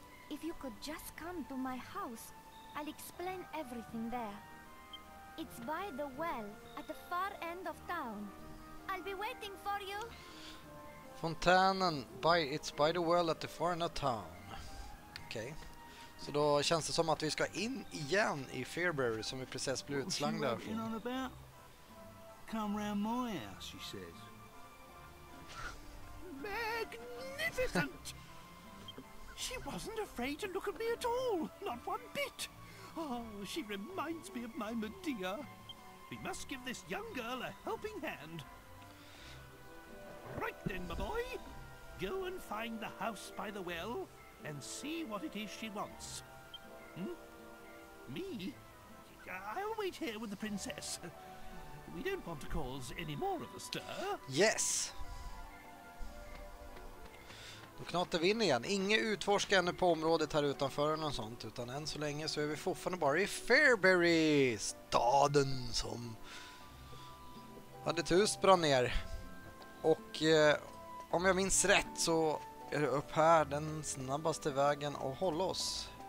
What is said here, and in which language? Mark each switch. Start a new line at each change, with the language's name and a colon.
English: If you could just come to my house, I'll explain everything there. It's by the well at the far end of town. I'll be waiting for you.
Swedish: Fontänen by
English: it's by the well at the far end of town.
Swedish: Okej. Okay. Så då känns det som att vi ska in igen i Fairbury som vi precis blev utslängda från.
English: Come round my house, she says. Magnificent! She wasn't afraid to look at me at all, not one bit. Oh, she reminds me of my Medea. We must give this young girl a helping hand. Right then, my boy. Go and find the house by the well and see what it is she wants. Me? I'll wait here with the princess. We don't want to cause any more of a stir. Yes!
Swedish: Då knatar vi in igen. Ingen utforskar ännu på området här utanför eller något sånt, utan än så länge så är vi fortfarande bara i Fairbury, staden som hade ett hus brann ner. Och om jag minns rätt så är det upp här den snabbaste vägen att hålla oss.